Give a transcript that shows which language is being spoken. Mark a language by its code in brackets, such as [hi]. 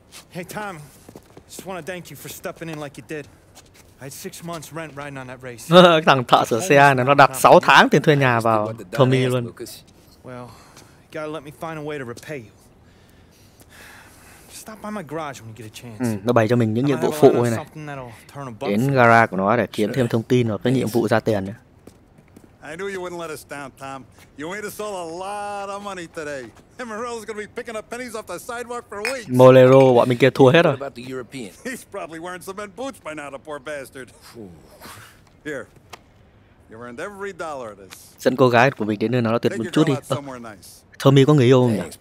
[en] Hey Tom, just want to thank you for stepping in like you did. I had 6 months rent riding on that race. [vi] Thằng thợ sửa xe này nó đặt 6 tháng tiền thuê nhà vào Tommy luôn. [en] Well, you gotta let me find a way to repay you. Stop by my garage when you get a chance. [vi] Nó bày cho mình những nhiệm vụ phụ như này. Đến garage của nó để kiếm thêm thông tin hoặc cái nhiệm vụ ra tiền nữa. [en] I knew you wouldn't let us down, Tom. You made us all a lot of money today. Morello's gonna be picking up pennies off the sidewalk for weeks. [vi] Morello, bọn mình kia thua hết rồi. [en] What about the European? He's probably wearing cement boots by now, the poor bastard. Here, You earned every dollar of this. [vi] Dẫn cô gái của mình đến nơi nào đó tuyệt một chút đi. Tommy có người yêu không nhỉ?